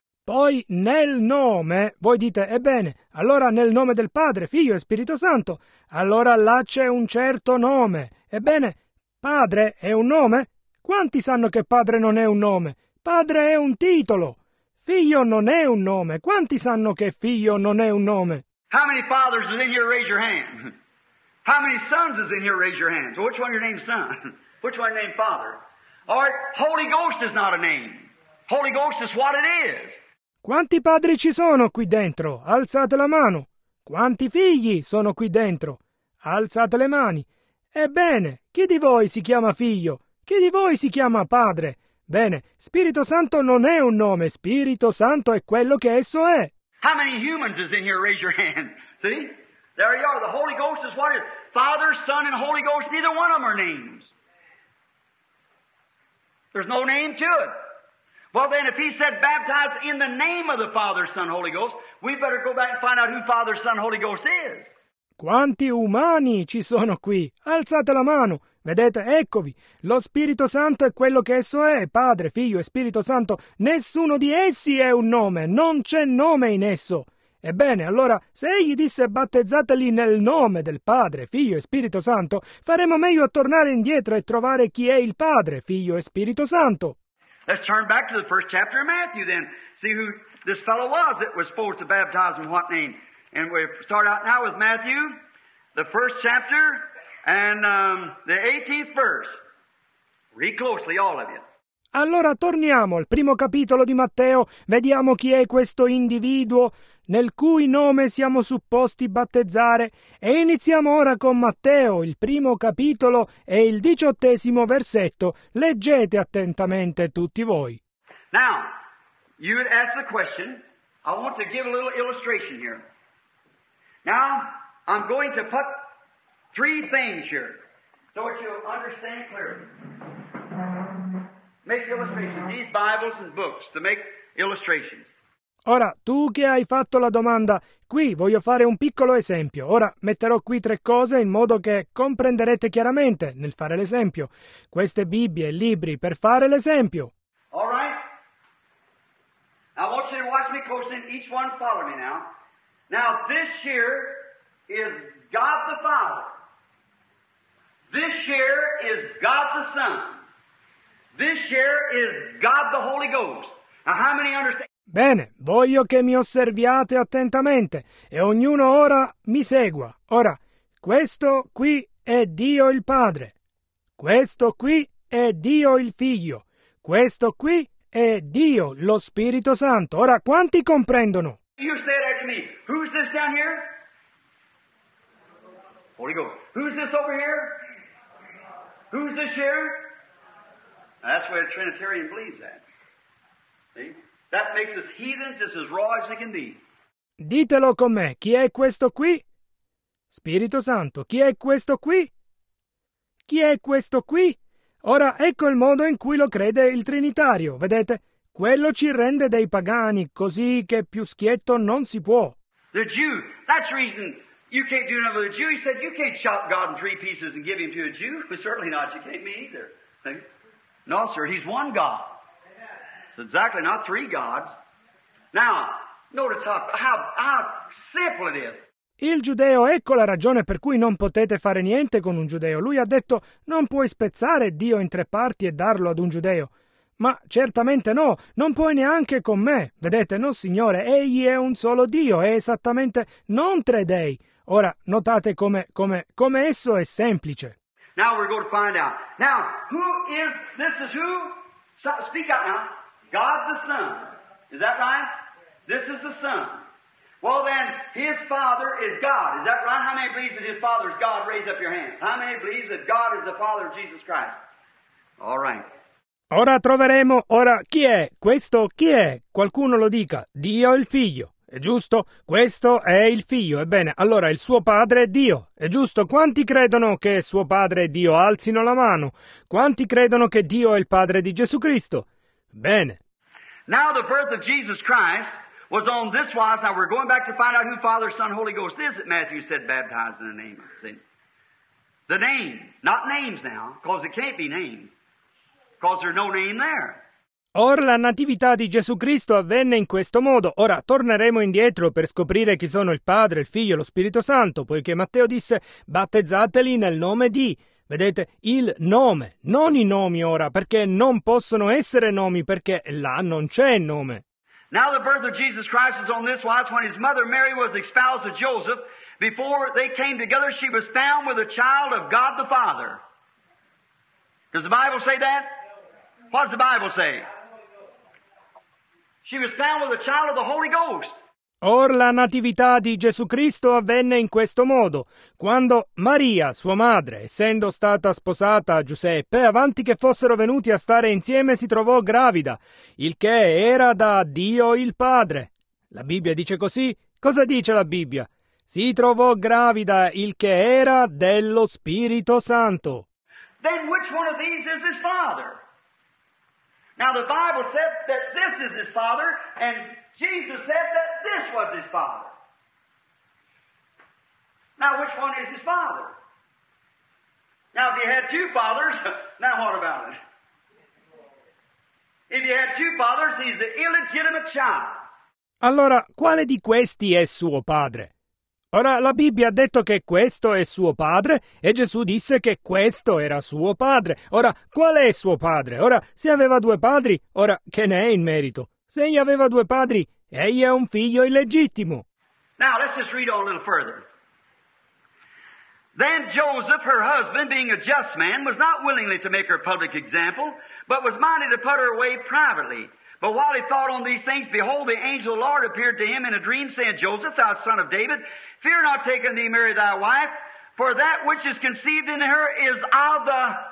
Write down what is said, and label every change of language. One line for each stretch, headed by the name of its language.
Italian: Poi nel nome, voi dite, ebbene, allora nel nome del Padre, Figlio e Spirito Santo, allora là c'è un certo nome. Ebbene, Padre è un nome? Quanti sanno che Padre non è un nome? Padre è un titolo. Figlio non è un nome. Quanti sanno che Figlio non è un nome?
English: How many fathers is in here? Raise your hand. How many sons is in here? Raise your hands. Which one your name son? Which one your name father? All right, Holy Ghost is not a name. Holy Ghost is what it is.
Italian: Quanti padri ci sono qui dentro? Alzate la mano. Quanti figli sono qui dentro? Alzate le mani. Ebbene, chi di voi si chiama figlio? Chi di voi si chiama padre? Bene, Spirito Santo non è un nome, Spirito Santo è quello che esso è.
English: How many humans is in here? Raise your hand. See? There you are. The Holy Ghost is what is Father, Son, and Holy Ghost, neither one of them are names. There's no name to it. Well then, if he said baptize in the name of the Father, Son, Holy Ghost, we better go back and find out who Father, Son, Holy Ghost is.
Italian: Quanti umani ci sono qui? Alzate la mano. Vedete, eccovi. Lo Spirito Santo è quello che esso è, Padre, Figlio e Spirito Santo. Nessuno di essi è un nome. Non c'è nome in esso. Ebbene, allora, se egli disse battezzateli nel nome del Padre, Figlio e Spirito Santo, faremo meglio a tornare indietro e trovare chi è il Padre, Figlio e Spirito Santo.
English: Let's turn back to the first chapter of Matthew then. See who this fellow was that was supposed to baptize in what name. And we start out now with Matthew, the first chapter, and the 18th verse. Read closely, all of you.
Italian: Allora torniamo al primo capitolo di Matteo, vediamo chi è questo individuo nel cui nome siamo supposti battezzare, e iniziamo ora con Matteo, il primo capitolo e il 18° versetto. Leggete attentamente tutti voi.
English: Now, you would ask the question, I want to give a little illustration here. Now, I'm going to put three things here, so that you'll understand clearly. Make illustrations, these Bibles and books, to make illustrations.
Italian: Ora, tu che hai fatto la domanda, qui voglio fare un piccolo esempio. Ora, metterò qui tre cose in modo che comprenderete chiaramente nel fare l'esempio. Queste Bibbie e libri per fare l'esempio.
English: All right. I want you to watch me closely and each one follow me now. Now, this here is God the Father. This here is God the Son. This here is God the Holy Ghost. Now, how many understand?
Italian: Bene, voglio che mi osserviate attentamente e ognuno ora mi segua. Ora, questo qui è Dio il Padre. Questo qui è Dio il Figlio. Questo qui è Dio lo Spirito Santo. Ora, quanti comprendono?
English: You say that to me. Who's this down here? Holy Ghost. Who's this over here? Who's this here? That's where a Trinitarian believes that. See? That makes us heathens just as raw as they can be.
Italian: Ditelo con me. Chi è questo qui? Spirito Santo. Chi è questo qui? Chi è questo qui? Ora, ecco il modo in cui lo crede il Trinitario. Vedete? Quello ci rende dei pagani, così che più schietto non si può.
English: The Jew. That's the reason you can't do another Jew. He said you can't chop God in three pieces and give him to a Jew. But certainly not. You can't me either. No, sir. He's one God. Exactly, not three gods. Now, notice how simple it is.
Italian: Il giudeo, ecco la ragione per cui non potete fare niente con un giudeo. Lui ha detto, non puoi spezzare Dio in tre parti e darlo ad un giudeo. Ma certamente no, non puoi neanche con me. Vedete, no signore, egli è un solo Dio, è esattamente non tre dei. Ora, notate come esso è semplice.
English: Now we're going to find out. Now, who is, this is who? Speak out now. God the Son. Is that right? This is the Son. Well then, his Father is God. Is that right? How many believes that his Father is God? Raise up your hand. How many believes that God is the Father of Jesus Christ? All right.
Italian: Ora troveremo, ora, chi è? Questo chi è? Qualcuno lo dica. Dio il Figlio. È giusto? Questo è il Figlio. Ebbene, allora, il suo Padre è Dio. È giusto? Quanti credono che suo Padre è Dio? Alzino la mano. Quanti credono che Dio è il Padre di Gesù Cristo? Bene.
English: Now the birth of Jesus Christ was on this wise. Now we're going back to find out who Father, Son, Holy Ghost is that Matthew said baptized in the name. See? The name, not names now, because it can't be names, because there's no name there.
Italian: Or la natività di Gesù Cristo avvenne in questo modo. Ora torneremo indietro per scoprire chi sono il Padre, il Figlio e lo Spirito Santo, poiché Matteo disse battezzateli nel nome di. Vedete, il nome, non i nomi ora, perché non possono essere nomi, perché là non c'è nome.
English: Now the birth of Jesus Christ is on this wise, when his mother Mary was espoused to Joseph, before they came together, she was found with a child of God the Father. Does the Bible say that? What does the Bible say? She was found with a child of the Holy Ghost.
Italian: Or la natività di Gesù Cristo avvenne in questo modo, quando Maria, sua madre, essendo stata sposata a Giuseppe, avanti che fossero venuti a stare insieme, si trovò gravida, il che era da Dio il Padre. La Bibbia dice così. Cosa dice la Bibbia? Si trovò gravida, il che era dello Spirito Santo.
English: Then which one of these is his father? Now the Bible said that this is his father, and Jesus said that this was his father. Now which one is his father? Now if you had two fathers, now what about it? If you had two fathers, he's the illegitimate child.
Italian: Allora, quale di questi è suo padre? Ora, la Bibbia ha detto che questo è suo padre e Gesù disse che questo era suo padre. Ora, qual è suo padre? Ora, se aveva due padri, ora, che ne è in merito? Se egli aveva due padri, egli è un figlio illegittimo.
English: Now, let's just read on a little further. Then Joseph, her husband, being a just man, was not willingly to make her public example, but was minded to put her away privately. But while he thought on these things, behold, the angel of the Lord appeared to him in a dream, saying, Joseph, thou son of David, fear not taking thee Mary thy wife, for that which is conceived in her is of the...